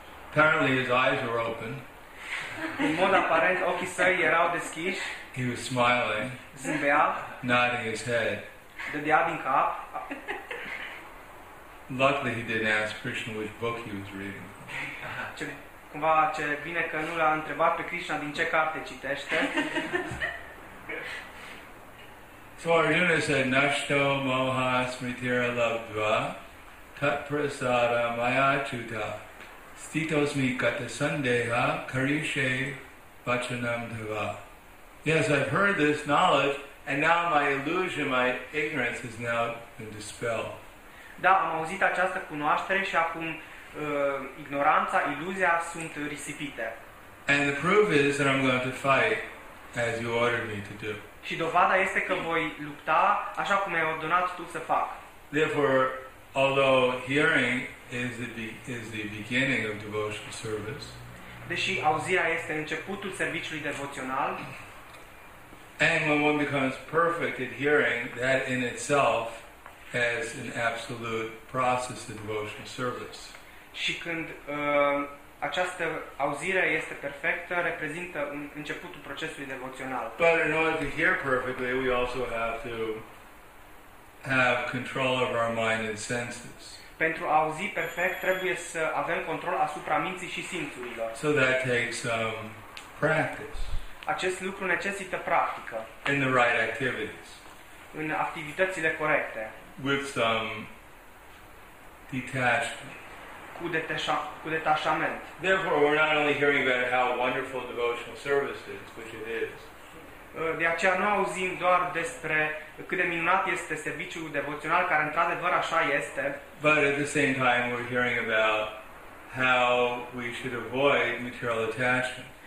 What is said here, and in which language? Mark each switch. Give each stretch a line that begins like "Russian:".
English: Apparently his eyes were open.
Romanian: În mod aparent ochii săi erau deschiși.
English: He was smiling.
Romanian: Zâmbea.
English: Nodding his head.
Romanian: Dădea din cap.
English: Luckily, he didn't ask Krishna which book he was reading.
Romanian: Ce cumva ce bine că nu l-a întrebat pe Krishna din ce carte citește.
English: So Arjuna said,
Sanskrit: "Nashto moha smritira labdva tat prasada maya chuta." Stitosmi gata sandeha karishe vachanam deva.
English: Yes, I've heard this knowledge, and now my illusion, my ignorance has now been dispelled.
Romanian: Da, am auzit această cunoaștere și acum ignoranța, iluzia sunt risipite.
English: And the proof is that I'm going to fight as you ordered me to do.
Romanian: Și dovada este că voi lupta așa cum ai ordonat tu să fac.
English: Therefore, although hearing is the beginning of devotional service.
Romanian: Deși auzirea este începutul serviciului devoțional.
English: And when one becomes perfect at hearing, that in itself has an absolute process of devotional service.
Romanian: Și când această auzire este perfectă, reprezintă începutul procesului devoțional.
English: But in order to hear perfectly, we also have to have control of our mind and senses.
Romanian: Pentru a auzi perfect, trebuie să avem control asupra minții și simțurilor.
English: So that takes some practice.
Romanian: Acest lucru necesită practică.
English: In the right activities.
Romanian: În activitățile corecte.
English: With some detachment.
Romanian: Cu detașament.
English: Therefore, we're not only hearing about how wonderful devotional service is, which it is.
Romanian: De aceea nu auzim doar despre cât de minunat este serviciul devoțional, care într-adevăr așa este.
English: But at the same time, we're hearing about how we should avoid material attachment.